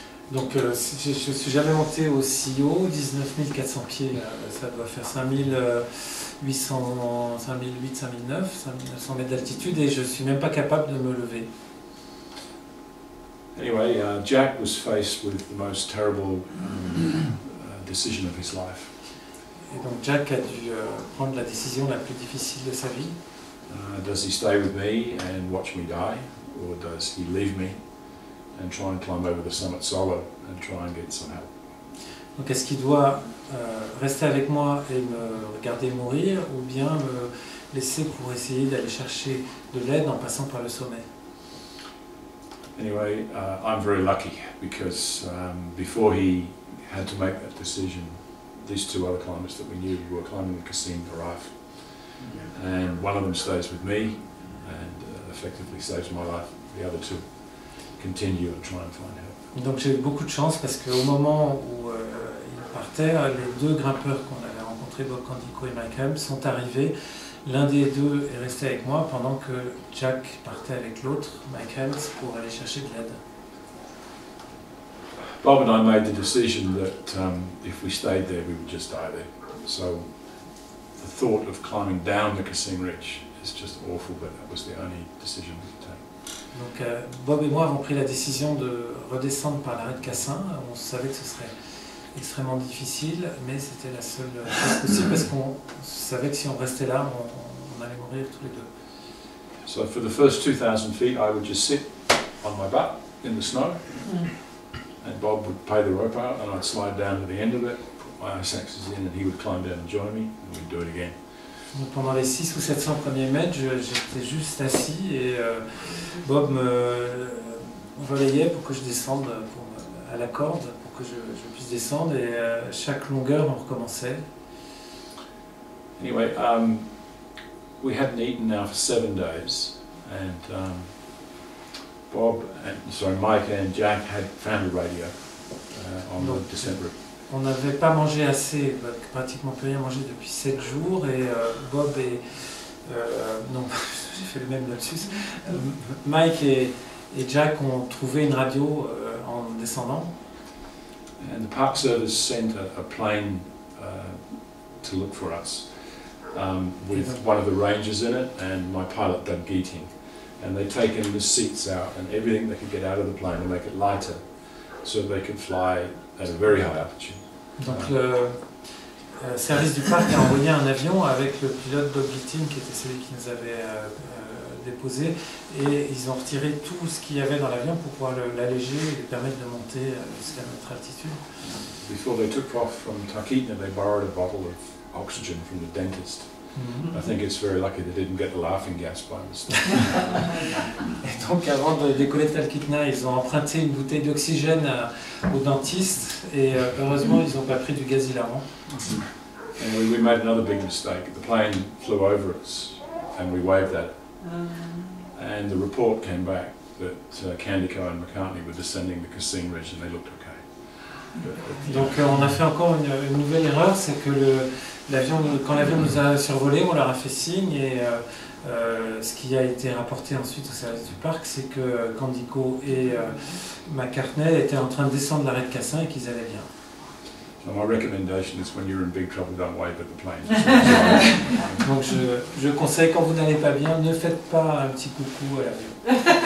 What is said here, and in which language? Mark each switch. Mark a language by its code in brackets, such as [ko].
[fr] Donc, je suis jamais monté aussi haut, 19,400 pieds. Ça doit faire 5,900 mètres d'altitude, et je suis même pas capable de me lever. [en] Anyway, Jack was faced with the most terrible decision of his life. [fr] Et donc Jack a dû prendre la décision la plus difficile de sa vie. [en] Does he stay with me and watch me die, or does he leave me and try and climb over the summit solo and try and get some help? [fr] Donc est-ce qu'il doit rester avec moi et me regarder mourir, ou bien me laisser pour essayer d'aller chercher de l'aide en passant par le sommet? [en] Anyway, I'm very lucky because before he had to make that decision, these two other climbers that we knew were climbing the Cassine Garaf, and one of them stays with me and effectively saves my life. The other two continue and try and find help. [fr] Donc j'ai eu beaucoup de chance parce qu'au moment où il partait, les deux grimpeurs qu'on avait rencontrés, Bob Candico et Michael, sont arrivés. L'un des deux est resté avec moi pendant que Jack partait avec l'autre, Michael, pour aller chercher de l'aide. [en] Bob and I made the decision that if we stayed there, we would just die there. So the thought of climbing down the Cassine Ridge is just awful, but that was the only decision we could take. [fr] Donc Bob et moi avons pris la décision de redescendre par l'arrêt de Cassin. On savait que ce serait extrêmement difficile, mais c'était la seule chose possible parce qu'on savait que si on restait là, on allait mourir tous les deux. [en] So for the first 2,000 feet, I would just sit on my butt in the snow. And Bob would pay the rope out, and I'd slide down to the end of it, put my ice axes in, and he would climb down and join me, and we'd do it again. [fr] Donc pendant les 600 ou 700 premiers mètres, j'étais juste assis, et Bob me relayait pour que je descende à la corde, pour que je puisse descendre, et chaque longueur, on recommençait. [en] Anyway, we hadn't eaten now for 7 days, and Mike and Jack had found a radio on the descent route. [fr] On n'avait pas mangé assez, pratiquement plus rien mangé depuis 7 jours, et Bob et j'ai fait le même lapsus. Mike et Jack ont trouvé une radio en descendant. [en] And the Park Service sent a plane to look for us with one of the rangers in it and my pilot Doug Geating. And they'd taken the seats out and everything they could get out of the plane to make it lighter so they could fly at a very high altitude. [fr] Donc le service du parc a envoyé un avion avec le pilote Bob Geating, qui était celui qui nous avait déposé, et ils ont retiré tout ce qu'il y avait dans l'avion pour pouvoir l'alléger et permettre de monter jusqu'à notre altitude. [en] Before they took off from Tarkeetna, they borrowed a bottle of oxygen from the dentist. I think it's very lucky they didn't get the laughing gas by mistake. [fr] Et donc avant de décoller de Talkeetna, ils ont emprunté une bouteille d'oxygène au dentiste, et heureusement ils n'ont pas pris du gaz hilarant. [en] And we made another big mistake. The plane flew over us and we waved at it. And the report came back that Candico and McCartney were descending the Cassine Ridge and they looked okay. [fr] Donc on a fait encore une nouvelle erreur, c'est que quand l'avion nous a survolé, on leur a fait signe, et ce qui a été rapporté ensuite au service du parc, c'est que Candico et McCartney étaient en train de descendre l'arrêt de Cassin et qu'ils allaient bien. [en] So my recommendation is when you're in big trouble, don't wave at the plane. [fr] Donc je conseille, quand vous n'allez pas bien, ne faites pas un petit coucou à l'avion.